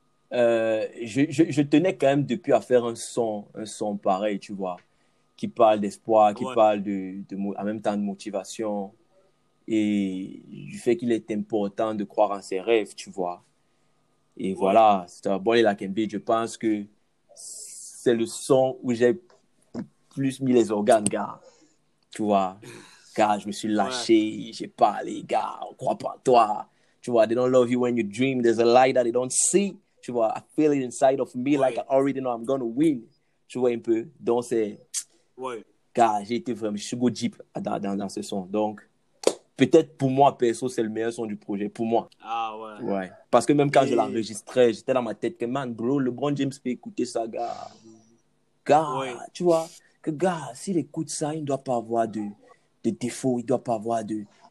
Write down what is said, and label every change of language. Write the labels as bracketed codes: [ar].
[fr] Je tenais quand même depuis à faire un son pareil, tu vois, qui parle d'espoir, qui parle de en même temps de motivation et du fait qu'il est important de croire en ses rêves, tu vois. Et voilà, c'est un Boy Like MB. Je pense que c'est le son où j'ai plus mis les organes, gars. Tu vois, gars, je me suis lâché, j'ai parlé, gars, on croit pas en toi. Tu vois, [en] they don't love you when you dream, there's a light that they don't see. Tu vois, I feel it inside of me like I already know I'm going to win. [fr] Tu vois un peu. Donc, c'est... Ouais. Car j'ai été vraiment... Je suis go deep dans ce son. Donc, peut-être pour moi, perso, c'est le meilleur son du projet. Pour moi. Ah ouais. Ouais. Parce que même quand je l'enregistrais, j'étais dans ma tête que, man, bro, LeBron James peut écouter ça, gars. Tu vois. Que, gars, s'il écoute ça, il ne doit pas avoir de défaut. Il ne doit pas avoir de...